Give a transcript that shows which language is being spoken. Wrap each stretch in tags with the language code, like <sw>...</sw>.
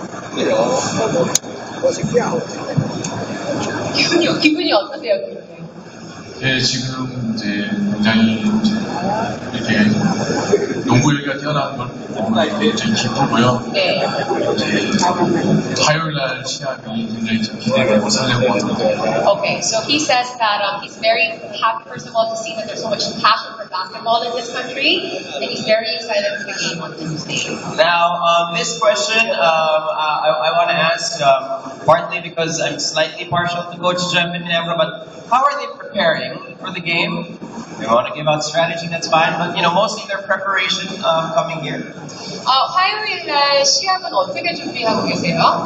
<ko>그래요. 기분이 어떠세요? 네, 지금 이제 굉장히 이제 이렇게 농구 얘기가 튀어나온 걸 보고 좀 기쁘고요. 네. 이제 화요일 날 시합이 굉장히 좀 기대가 못하려고 하는데.</ko> <en>Okay, so he says that he's very happy, first of all, to see that there's so much passion for basketball in this country, and he's very excited for the game on Tuesday. Now, this question I want to ask partly because I'm slightly partial to Coach Jeff and Ginebra, but how are they preparing for the game? They want to give out strategy, that's fine, but you know, mostly their preparation coming here.</en> <ko>화요일 날 시합은 어떻게 준비하고 계세요?</ko>